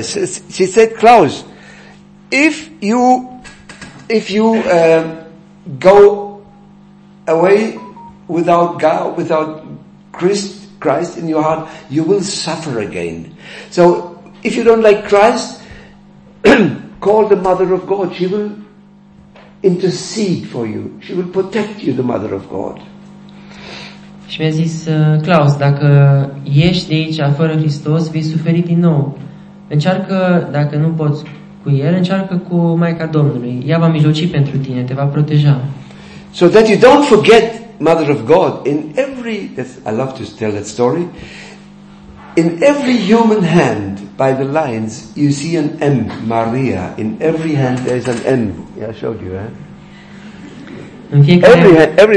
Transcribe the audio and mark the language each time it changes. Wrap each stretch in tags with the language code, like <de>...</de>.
<en>She said, Klaus, if you go away without God, without Christ in your heart, you will suffer again. So if you don't like Christ, call the Mother of God. She will intercede for you. She will protect you, the Mother of God.</en> <ro>Și mi-a zis, Klaus, dacă ieși de aici fără Hristos, vei suferi din nou. Încearcă, dacă nu poți cu El, încearcă cu Maica Domnului. Ea va mijloci pentru tine, te va proteja.</ro> <en>So that you don't forget Mother of God, in every, I love to tell that story, in every human hand, by the lines, you see an M, Maria. In every hand there is an M. Yeah, I showed you, eh?</en>